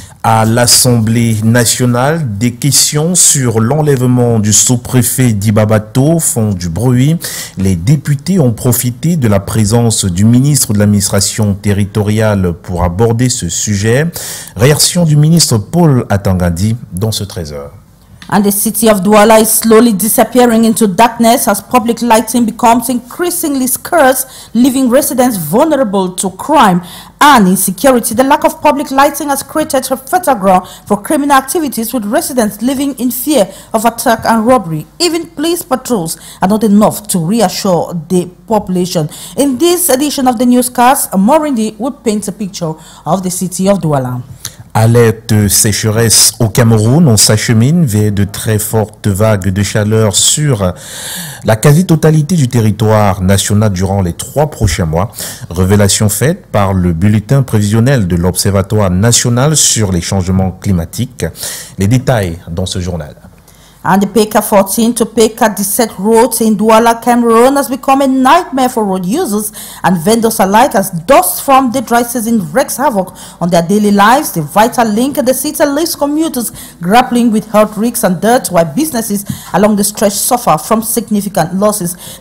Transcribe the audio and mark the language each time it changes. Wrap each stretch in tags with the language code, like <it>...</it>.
<fr>À l'Assemblée nationale, des questions sur l'enlèvement du sous-préfet d'Ibabato font du bruit. Les députés ont profité de la présence du ministre de l'administration territoriale pour aborder ce sujet. Réaction du ministre Paul Atangadi dans ce 13h.</fr> <en>And the city of Douala is slowly disappearing into darkness as public lighting becomes increasingly scarce, leaving residents vulnerable to crime and insecurity. The lack of public lighting has created a fertile ground for criminal activities, with residents living in fear of attack and robbery. Even police patrols are not enough to reassure the population. In this edition of the newscast, Morindi will paint a picture of the city of Douala.</en> <fr>Alerte sécheresse au Cameroun, on s'achemine vers de très fortes vagues de chaleur sur la quasi-totalité du territoire national durant les 3 prochains mois. Révélation faite par le bulletin prévisionnel de l'Observatoire national sur les changements climatiques. Les détails dans ce journal.</fr> <en>And the PK14 to PK17 roads in Douala, Cameroon has become a nightmare for road users and vendors alike as dust from the dry season wreaks havoc on their daily lives. The vital link in the city leaves commuters grappling with health risks and dirt, while businesses along the stretch suffer from significant losses.</en>